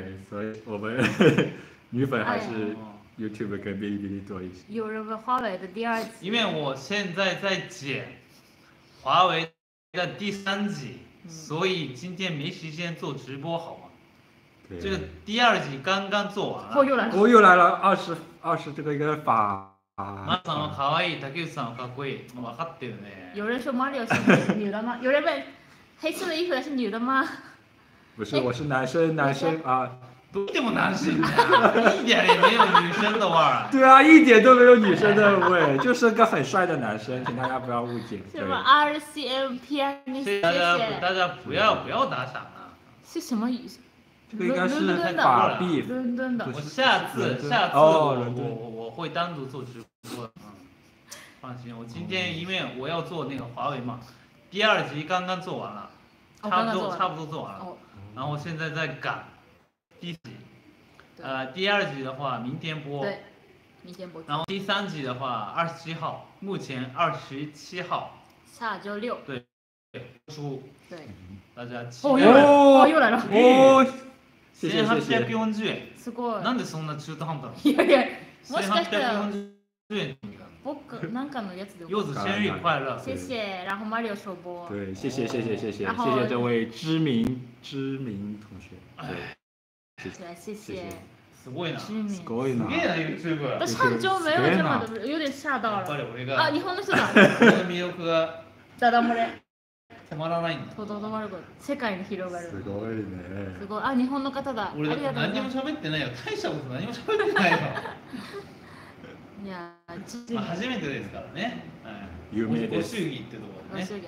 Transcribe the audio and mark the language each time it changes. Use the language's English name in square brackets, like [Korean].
[Chinese] 所以我们女粉还是 YouTube 跟哔哩哔哩多一些。有人问华为的第二季，因为我现在在剪华为的第三季，所以今天没时间做直播，好吗？对，这个第二季刚刚做完了。我又来了，二十这个应该是法。 [Japanese] 马さんは可愛い、竹内さんはかっこいい、分かってるね。 [Chinese] 有人说 Mario 是女的吗？有人问黑色的衣服的是女的吗？不是，我是男生，男生啊，都这么男生，一点也没有女生的味儿。对啊，一点都没有女生的味，就是个很帅的男生，请大家不要误解。什么 RCM pianist？大家不要打赏啊！是什么语？这个应该是法币，伦敦的。我下次我会单独做直播的，放心，我今天因为我要做那个华为嘛，第二集刚刚做完了，差不多做完了。然后现在在赶第一集，第二集的话明天播，对，明天播。然后第三集的话27号，目前27号，下周六，对，书，对，大家期待。又来了， 1840元， [Japanese] すごい。なんでそんな中途半端？いやいや、もしかしたら [Chinese] 1840元。 [Japanese] 僕なんかのやつで。 [Chinese] 柚子生日快乐！谢谢，然后 Mario 首播。对，谢谢谢谢谢谢谢谢这位知名同学。对，谢谢。 [Japanese] すごいな。 [Chinese] 知名。 [Japanese] すごいな。すげえな YouTube。 [Chinese] 他上周没有这么的，有点吓到了。 [Japanese] やっぱり俺が。あ、日本の人だ。この魅力が。ダダ漏れ。止まらないんだ。とどまるこ、世界に広がる。すごいね。すごい。あ、日本の方だ。俺何も喋ってないよ。大したこと何も喋ってないよ。いや、初めてですからね。有名です。ご祝儀ってところね。